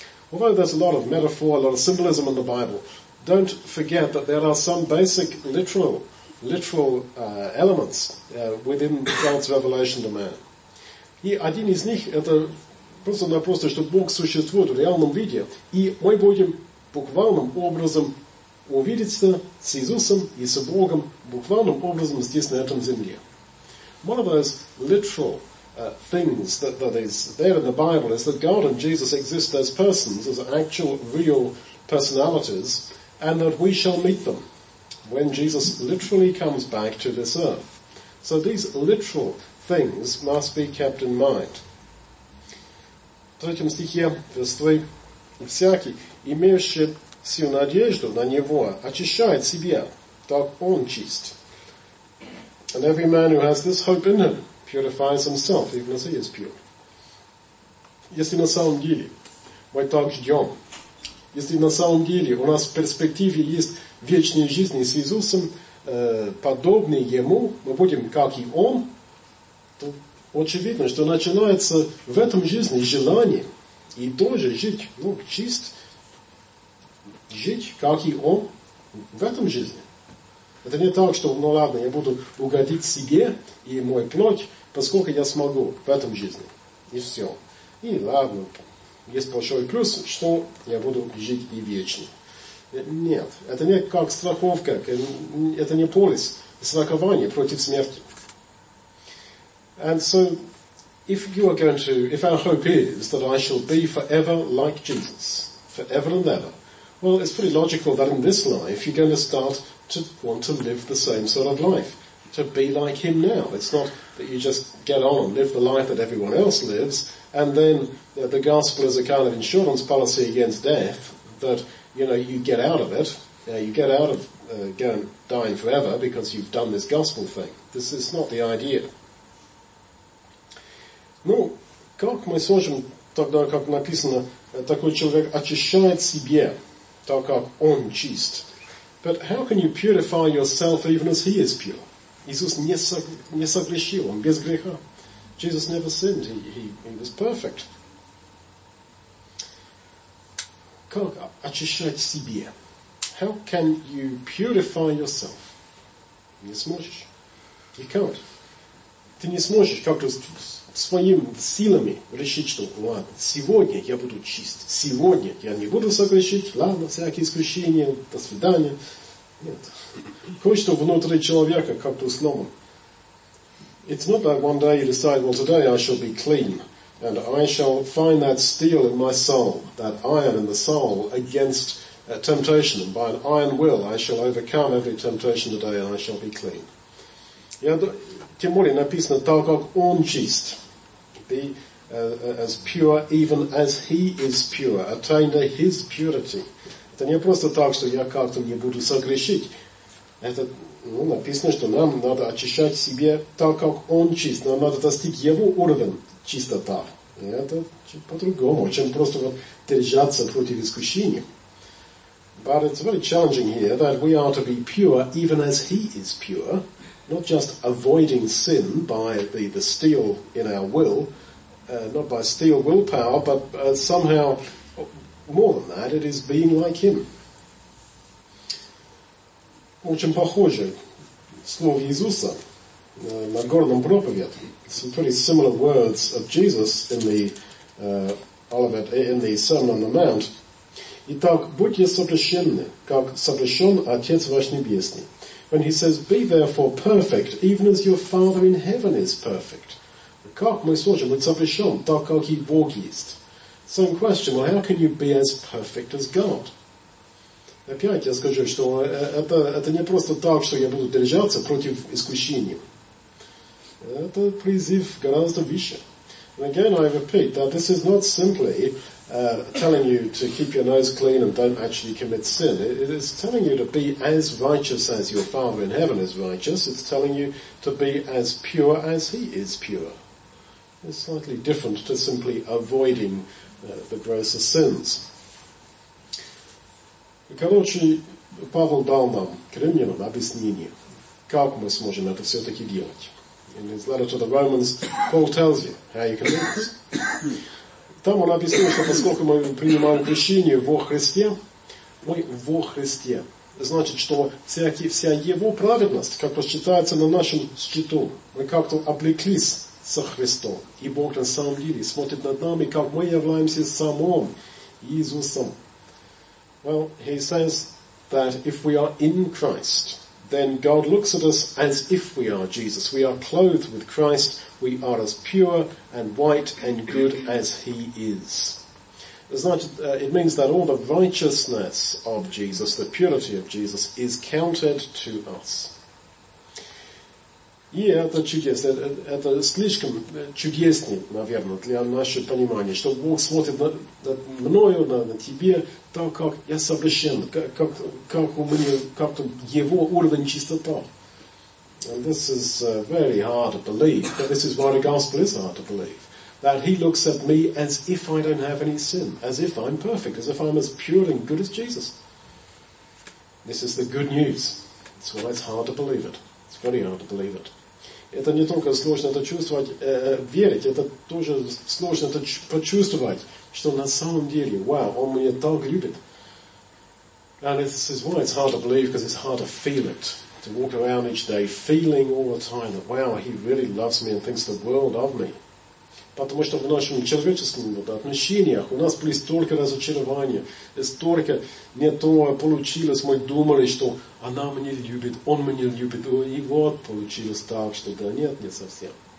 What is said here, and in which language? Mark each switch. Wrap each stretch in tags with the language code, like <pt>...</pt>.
<en>Although there's a lot of metaphor, a lot of symbolism in the Bible, don't forget that there are some basic literal elements within God's revelation to man.</en> <ru>И один из них это просто-напросто, что Бог существует в реальном виде, и мы будем буквальным образом увидеться с Иисусом и с Богом буквальным образом здесь, на этом земле.</ru> <en>One of those literal things that is there in the Bible is that God and Jesus exist as persons, as actual, real personalities, and that we shall meet them when Jesus literally comes back to this earth. So these literal things must be kept in mind.</en> <ru>В третьем стихе,</ru> <en>verse 3,</en> <ru>«Всякий, имеющий всю надежду на Него, очищает себя, так Он чист.</ru> <en>And every man who has this hope in him purifies himself, even as he is pure».</en> <ru>Если на самом деле мы так ждем, если на самом деле у нас в перспективе есть вечная жизнь с Иисусом, подобный Ему, мы будем, как и Он, то очевидно, что начинается в этом жизни желание и тоже жить, ну, чист, жить, как и он в этом жизни. Это не так, что, ну ладно, я буду угодить себе и мой плоть, поскольку я смогу в этом жизни. И все. И ладно, есть большой плюс, что я буду жить и вечно. Нет, это не как страховка, это не полис, страхование против смерти.</ru> <en>And so, if our hope is that I shall be forever like Jesus, forever and ever, well, it's pretty logical that in this life you're going to start to want to live the same sort of life, to be like him now. It's not that you just get on and live the life that everyone else lives, and then the gospel is a kind of insurance policy against death, that, you know, you get out of it, you get out of going dying forever because you've done this gospel thing. This is not the idea.</en> <ru>Ну, как мы сможем, тогда как написано, такой человек очищает себе, так как он чист.</ru> <en>But how can you purify yourself even as he is pure?</en> <ru>Иисус не согрешил, он без греха.</ru> <en>Jesus never sinned, he was perfect.</en> <ru>Как очищать себе?</ru> <en>How can you purify yourself?</en> <ru>Не сможешь.</ru> <en>You can't.</en> <ru>Ты не сможешь как-то своими силами решить, что ладно, сегодня я буду чист, сегодня я не буду согрешить, ладно, всякие искушения, до свидания. Нет. Кое-что внутри человека как-то сломано.</ru> <en>It's not that one day you decide, well, today I shall be clean, and I shall find that steel in my soul, that iron in the soul against temptation, and by an iron will I shall overcome every temptation today, and I shall be clean.</en> <ru>Я, тем более написано, так как он чист,</ru> <en>be as pure even as he is pure, attain to his purity.</en> <ru>Это не просто так, что я как-то не буду согрешить. Это, ну, написано, что нам надо очищать себе так, как он чист. Нам надо достичь его уровень чистота. Это по-другому, чем просто вот держаться против искушения.</ru> <en>But it's very challenging here that we are to be pure even as he is pure. Not just avoiding sin by the steel in our will, not by steel willpower, but somehow more than that, it is being like him.</en> <ru>Очень похоже слово Иисуса на горном проповеди.</ru> <en>Some pretty similar words of Jesus in the Olivet, in the Sermon on the Mount.</en> <ru>Итак, будьте совершенны, как совершен Отец ваш небесный.</ru> <en>When he says, be therefore perfect, even as your Father in heaven is perfect.</en> <ru>Как мы сможем быть совершен, так как и Бог есть?</ru> <en>Same question, well, how can you be as perfect as God?</en> <ru>Опять я скажу, что это не просто так, что я буду держаться против искушения. Это призыв гораздо выше.</ru> <en>And again, I repeat, that this is not simply telling you to keep your nose clean and don't actually commit sin. It is telling you to be as righteous as your Father in heaven is righteous. It's telling you to be as pure as he is pure. It's slightly different to simply avoiding the grosser sins.</en> <ru>Короче, Павел дал нам, к римлянам, объяснение, как мы сможем это все-таки делать.</ru> <en>In his letter to the Romans, Paul tells you how you can do this.</en> <ru>Там он объяснил, что поскольку мы принимаем крещение во Христе, мы во Христе. Значит, что вся его праведность как-то считается на нашем счету. Мы как-то облеклись со Христом. И Бог на самом деле смотрит над нами, как мы являемся самим Иисусом.</ru> <en>Well, he says that if we are in Christ, then God looks at us as if we are Jesus. We are clothed with Christ. We are as pure and white and good as he is. It means that all the righteousness of Jesus, the purity of Jesus, is counted to us.</en> <ru>И это чудесно. Это слишком чудесно, наверное, для нашего понимания, что Бог смотрит на мною, на тебе, так как я совершен, как у меня, как его уровень чистота.</ru> <en>And this is very hard to believe, but this is why the gospel is hard to believe. That he looks at me as if I don't have any sin, as if I'm perfect, as if I'm as pure and good as Jesus. This is the good news. That's why it's hard to believe it. It's very hard to believe it.</en> <ru>Это не только сложно это чувствовать, верить, это тоже сложно это почувствовать, что на самом деле, вау, он меня так любит.</ru> <en>And this is why it's hard to believe, because it's hard to feel it. To walk around each day feeling all the time that, wow, he really loves me and thinks the world of me.</en> <ru>Потому что в нашем человеческом отношениях у нас были столько разочарования, столько не то получилось, мы думали, что она меня любит, он меня любит, и вот получилось так, что да нет, не совсем.</ru>